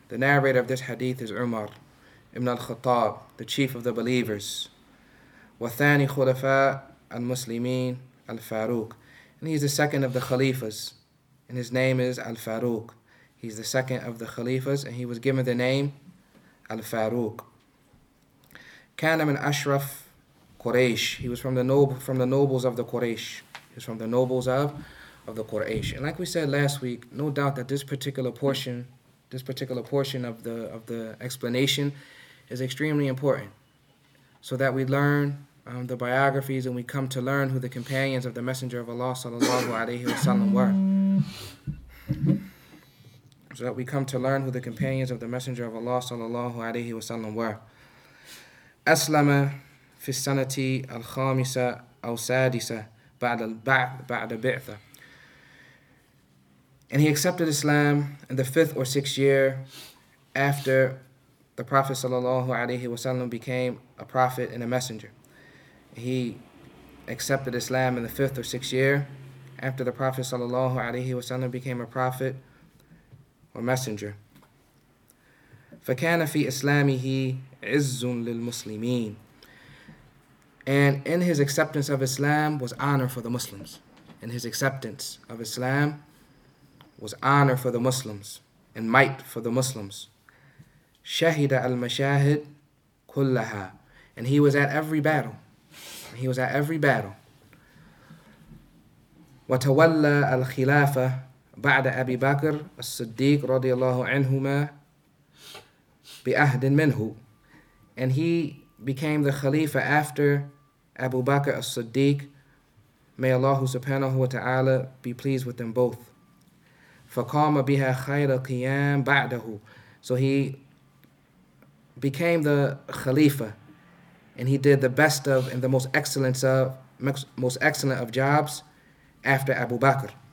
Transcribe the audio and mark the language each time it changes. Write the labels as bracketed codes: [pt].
[en] The narrator of this hadith is Umar ibn al-Khattab, the chief of the believers. [ar] وَثَانِي خُلَفَاءَ الْمُسْلِمِينَ الْفَارُوقِ. [en] And he's the second of the Khalifas, and his name is al-Farooq. He's the second of the Khalifas, and he was given the name al-Farooq. [ar] كَانَ مِنْ أَشْرَفْ Quraysh. [en] He was from the nobles of the Quraysh. He was from the nobles of the Quraysh. And like we said last week, no doubt that this particular portion of the explanation is extremely important, so that we learn the biographies and we come to learn who the companions of the Messenger of Allah sallallahu alayhi wa sallam were. So that we come to learn who the companions of the Messenger of Allah sallallahu alayhi wa sallam were. [ar] Aslama fi sanati al-khamisa aw sadisa ba'da al-ba'da bi'tha. [en] And he accepted Islam in the fifth or sixth year after the Prophet sallallahu alayhi wa sallam became a prophet and a messenger. He accepted Islam in the fifth or sixth year after the Prophet sallallahu alayhi wa sallam became a prophet or messenger. [ar] فَكَانَ فِي إِسْلَامِهِ عِزٌ لِلْمُسْلِمِينَ. [en] And in his acceptance of Islam was honor for the Muslims. In his acceptance of Islam was honor for the Muslims and might for the Muslims. [ar] شَهِدَ الْمَشَاهِدْ كُلَّهَا. [en] And he was at every battle. He was at every battle. [ar] وَتَوَلَّى الْخِلَافَةَ بعد أبي بكر الصديق رضي الله عنهما بأهد منه. [en] And he became the Khalifa after Abu Bakr as-Siddiq. May Allah subhanahu wa ta'ala be pleased with them both. [ar] فَقَامَ بِهَا خَيْرَ قِيَامٍ بَعْدَهُ. [en] So he became the Khalifa, and he did the best of and the most excellent of jobs after Abu Bakr.